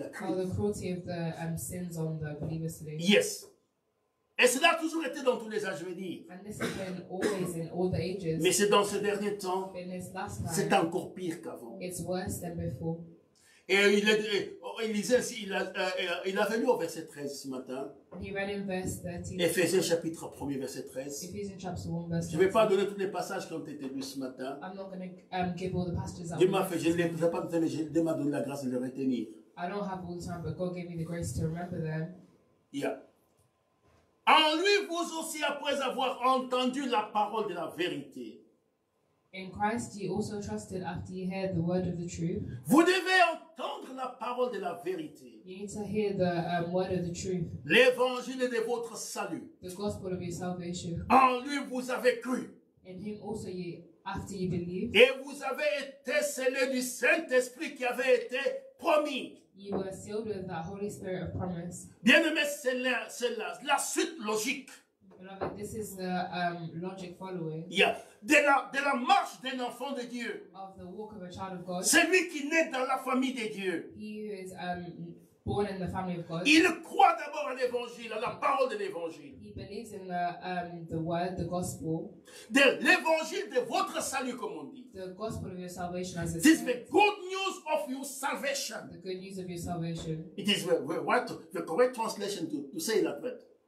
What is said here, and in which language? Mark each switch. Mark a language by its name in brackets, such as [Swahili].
[English] Of the cruelty of the sins on the believers today. Yes. [French] Et cela a toujours été dans tous les âges, je veux dire. [English] And this has been always in all the ages. [French] Mais c'est dans ce dernier temps, [English] in this last time, [French] c'est encore pire qu'avant. [English] It's worse than before. [French] Et il a il a fait lu au verset 13 ce matin. [English] He read in verse 13. [French] Éphésiens chapitre 1 verset 13. [English] Ephesians chapter 1 verse 13. [French] Je ne vais pas donner tous les passages qui ont été lus ce matin. [English] I'm not going to give all the passages. [French] Dieu m'a donné la grâce de les retenir. [English] I don't have all the time, but God gave me the grace to remember them. Yeah. [French] En lui vous aussi après avoir entendu la parole de la vérité. [English] In Christ you also trusted after you heard the word of the truth. [French] Vous devez entendre la parole de la vérité. [English] You need to hear the word of the truth. [French] L'évangile de votre salut. [English] The gospel of your salvation. [French] En lui vous avez cru. [English] In him also you, after you believed. [French] Et vous avez été scellé du Saint-Esprit qui avait été promis. [English] You were sealed with that Holy Spirit of promise. [French] Bien-aimé, c'est la suite logique. [English] Beloved, this is the logic following. [French] Yeah. De la marche d'un enfant de Dieu. [English] Of the walk of a child of God. [French] Celui qui naît dans la famille de Dieu. [English] He who is born in the family of God. [French] Il croit d'abord à l'évangile, à la parole de l'évangile. [English] He believes in the word, the gospel. [French] De l'évangile de votre salut, comme on dit. [English] The gospel of your salvation, as it This is the good news of your salvation. The good news of your salvation. It is what the correct translation to say that word.